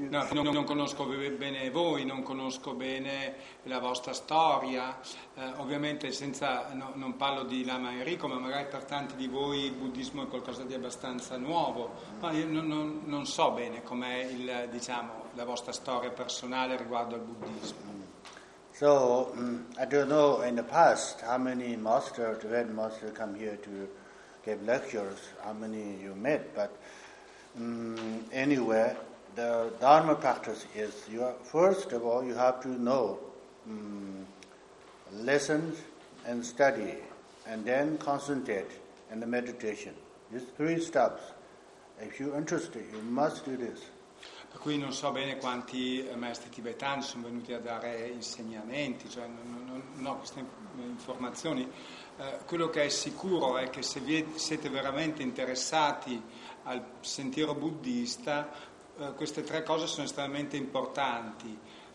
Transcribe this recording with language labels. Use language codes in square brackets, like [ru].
[it] Non conosco bene voi, non conosco bene la vostra storia. Ovviamente non parlo di Lama Enrico, ma magari per tanti di voi il buddismo è qualcosa di abbastanza nuovo. Ma io non so bene com'è la vostra storia personale riguardo al buddismo. [en] So I don't know in the past how many masters, great masters, come here to give lectures. How many you met? But anyway, the Dharma practice is you. First of all, you have to know lessons and study, and then concentrate and the meditation. These three steps. If you're interested, you must do this. [it] Per cui non so bene quanti maestri tibetani sono venuti a dare insegnamenti, cioè non ho queste informazioni. Quello che è sicuro è che se siete veramente interessati al sentiero buddista, queste tre cose sono estremamente importanti.